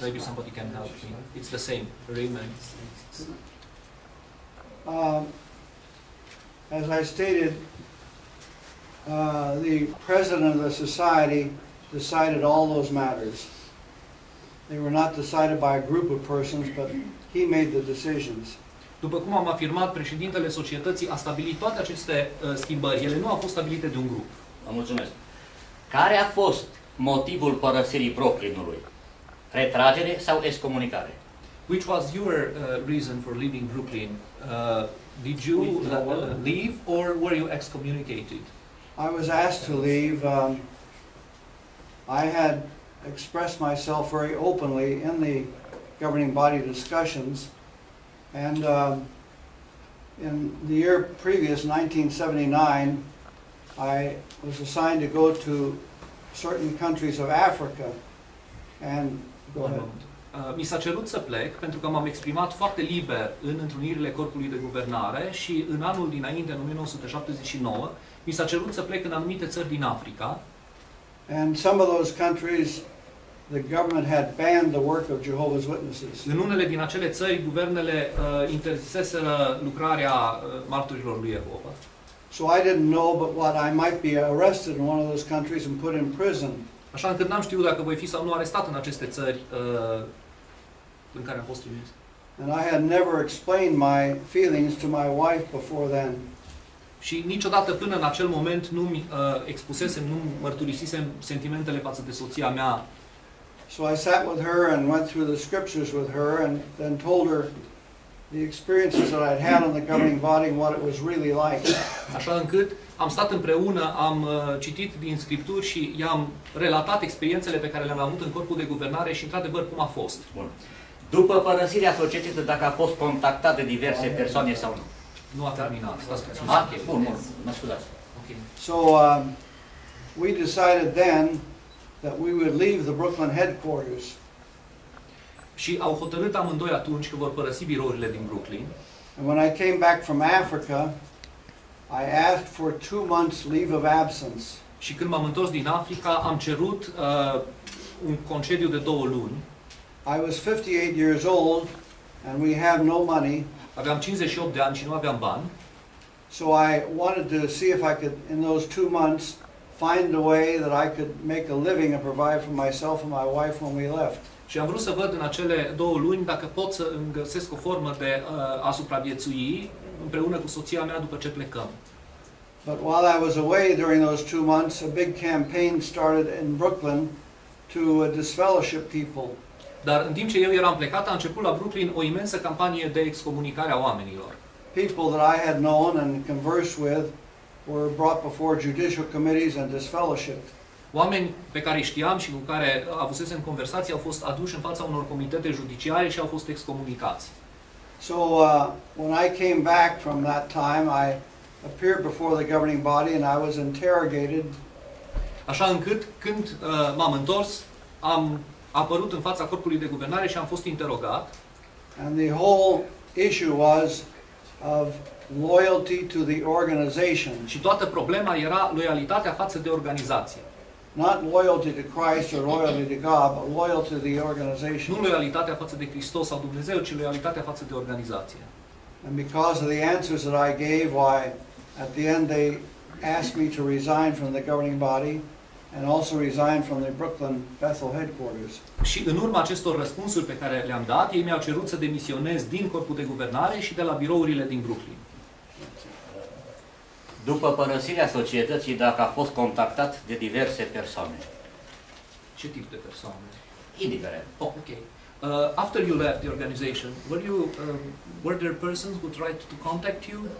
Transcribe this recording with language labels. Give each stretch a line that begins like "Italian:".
English: Maybe somebody can help me. It's the same, Urim and Tumim. As I stated, the president of the society decided all those matters. They were not decided by a group of persons, but he made the decisions.
Romanian: După cum am afirmat, președintele societății a stabilit toate aceste schimbări. Ele nu au fost stabilite de un grup. Vă mulțumesc. Care a fost motivul părăsirii Brooklynului? Retragere sau excomunicare?
English: Which was your reason for leaving Brooklyn? Did you leave or were you excommunicated? I was asked to leave. I had expressed myself very openly in the governing body discussions. And in the year previous, 1979, I was assigned to go to certain countries of Africa. And go ahead.
Romanian: Mi s-a cerut să plec pentru că m-am exprimat foarte liber în întrunirile corpului de guvernare și în anul dinainte, în 1979, mi s-a cerut să plec în anumite țări din Africa.
English: And some of those countries, the government had banned the work of Jehovah's Witnesses.
Romanian: În unele din acele țări, guvernele interziseseră lucrarea marturilor lui Jehova.
English: So I didn't know but what I might be arrested in one of those countries and put in prison.
Romanian: Așa încât n-am știut dacă voi fi sau nu arestat în aceste țări în care am fost trimis.
English: And I had never explained my feelings to my wife before then.
Romanian: Și niciodată până în acel moment nu mi expusesem, nu mărturisisem sentimentele față de soția mea.
English: So I sat with her and went through the scriptures with her and then told her the experiences that I'd had on the governing body and what it was really like.
Romanian: Așa încât am stat împreună, am citit din scripturi și i-am relatat experiențele pe care le-am avut în corpul de guvernare și într-adevăr cum a fost. Bun. După părăsirea societății, dacă a fost contactat de diverse persoane sau nu? Nu a terminat. Stați puțin. Mă scuzați.
English: So we decided then that we would leave the Brooklyn headquarters.
Romanian: Și au hotărât amândoi atunci că vor părăsi birourile din Brooklyn.
English: And when I came back from Africa, I asked for 2 months leave of absence.
Romanian: Și când m-am întors din Africa, am cerut un concediu de 2 luni.
English: I was 58 years old and we had no money.
Romanian: Aveam 58 de ani și nu aveam bani.
English: So I wanted to see if I could in those 2 months find a way that I could make a living and provide for myself and my wife when we left.
Romanian: Și am vrut să văd în acele 2 luni dacă pot să îmi găsesc o formă de a supraviețui împreună cu soția mea după ce plecăm.
English: But while I was away during those 2 months, a big campaign started in Brooklyn to disfellowship people.
Romanian: Dar în timp ce eu eram plecat, a început la Brooklyn o imensă campanie de excomunicare a oamenilor.
English: People that I had known and conversed with were brought before judicial committees and disfellowshipped.
Romanian: Oameni pe care îi știam și cu care avusesem conversații au fost aduși în fața unor comitete judiciare și au fost excomunicați.
English: So when I came back from that time, I appeared before the governing body and I was interrogated.
Romanian: Așa încât când m-am întors, am apărut în fața corpului de guvernare și am fost interogat.
English: And the whole issue was of loyalty to the organization.
Romanian: Și toată problema era loialitatea față de organizație.
English: Not loyalty to Christ or loyalty to God, but loyalty to the organization.
Romanian: Nu loialitatea față de Hristos sau Dumnezeu, ci loialitatea față de organizație.
English: And because of the answers that I gave, why at the end they asked me to resign from the governing body and also resign from the Brooklyn Bethel headquarters.
Romanian: Și în urma acestor răspunsuri pe care le-am dat, ei mi-au cerut să demisionez din corpul de guvernare și de la birourile din Brooklyn. După părăsirea societății, dacă a fost contactat de diverse persoane. Ce tip de persoane? Indiferent.
English: Oh, okay. After you left the organization, were you were there persons who tried to contact you?